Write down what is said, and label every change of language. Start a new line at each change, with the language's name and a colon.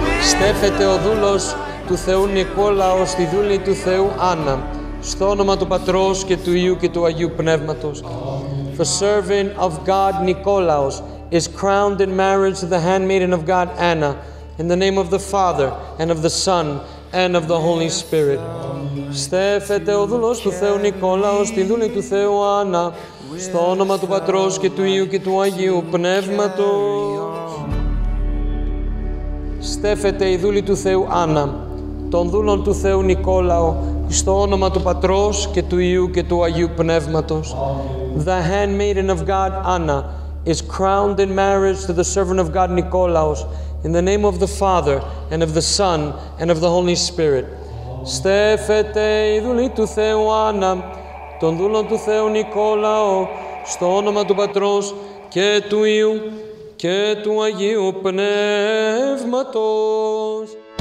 Greek: Στέφεται ο δούλος του Θεού Νικόλαος, τη δούλη του Θεού Άννα, στο όνομα του Πατρός και του Υιού και του Αγίου Πνεύματος.
English: The servant of God, Nikolaos, is crowned in marriage to the handmaiden of God, Anna, in the name of the Father, and of the Son, and of the Holy Spirit.
Greek: Στέφεται ο δούλος του Θεού Νικόλαος, τη δούλη του Θεού Άννα, στο όνομα του Πατρός και του Υιού και του Αγίου Πνεύματος. Στέφεται η δούλη του Θεού Άννα, των δούλων του Θεού Νικόλαο, στο όνομα του Πατρός και του Υιού και του Αγίου Πνεύματος.
English: The handmaiden of God, Anna, is crowned in marriage to the servant of God, Nikolaos, in the name of the Father, and of the Son, and of the Holy Spirit.
Greek: Στέφεται η δούλη του Θεού Άννα, των δούλων του Θεού Νικόλαο, στο όνομα του Πατρός και του Υιού και του Αγίου Πνεύματος.